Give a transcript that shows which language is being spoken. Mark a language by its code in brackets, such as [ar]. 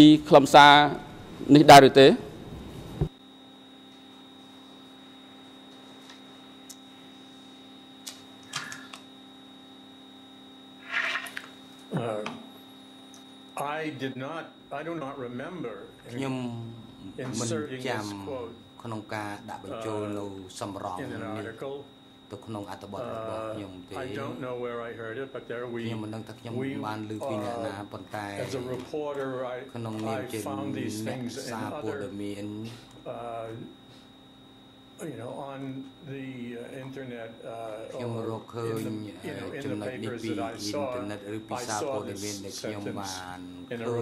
[km] ខ្ញុំចង់ឲ្យលោកបញ្ជាក់ថាឆ្លើយបញ្ជាក់ថាតើអត្តបទមួយនេះលោកបានទទួលនិងបានធ្វើការរាយការណ៍អំពីខ្លឹមសារនេះដែរឬទេ [en] I do not remember [km] ខ្ញុំ មិន ចាំ ក្នុង ការ ដាក់ បញ្ចូល នៅ សម្រង នេះ ទៅ ក្នុង អត្ថបទ របស់ ខ្ញុំ [en] ទេ I don't know where I heard it but there we [km] ខ្ញុំ មិន ដឹង ថា ខ្ញុំ បាន លើ ពី អ្នក ណា ប៉ុន្តែ [en] as a reporter I [km] ក្នុង នាម ជា អ្នក សារ ព័ត៌មាន [en] you know on the internet [km] ខ្ញុំ រក ឃើញ ចំណុច នេះ ពី អ៊ីនធឺណិត ឬ ពី សារ ព័ត៌មាន ដែល ខ្ញុំ បាន ឃើញ